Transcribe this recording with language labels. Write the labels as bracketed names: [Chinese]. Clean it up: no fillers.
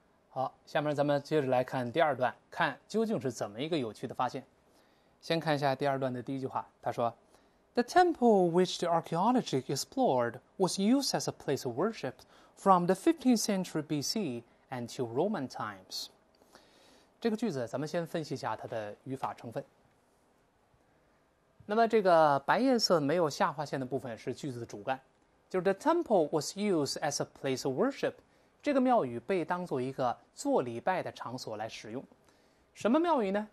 [Chinese] 好，下面咱们接着来看第二段，看究竟是怎么一个有趣的发现。先看一下第二段的第一句话，他说： [English] “The temple which the archaeology explored was used as a place of worship from the 15th century BC until Roman times。” [Chinese] 这个句子，咱们先分析一下它的语法成分。那么，这个白颜色没有下划线的部分是句子的主干，就是 [English] "The temple was used as a place of worship"。 [Chinese] 这个庙宇被当做一个做礼拜的场所来使用。什么庙宇呢？